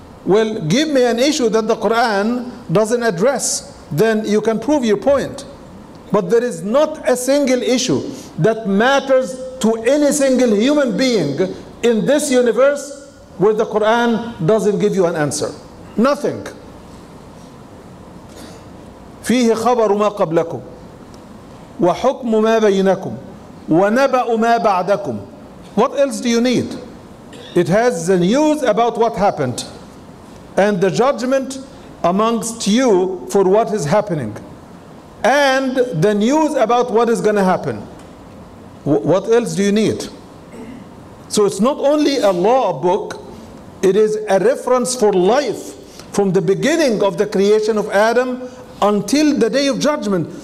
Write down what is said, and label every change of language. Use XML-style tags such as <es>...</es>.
<en>Well, give me an issue that the Quran doesn't address, then you can prove your point. But there is not a single issue that matters to any single human being in this universe where the Quran doesn't give you an answer. Nothing.</en> <ar>فيه خبر ما قبلكم وحكم ما بينكم ونبأ ما بعدكم.</ar> <en>What else do you need? It has the news about what happened and the judgment amongst you for what is happening and the news about what is going to happen. What else do you need? So it's not only a law book, it is a reference for life from the beginning of the creation of Adam until the day of judgment.</en>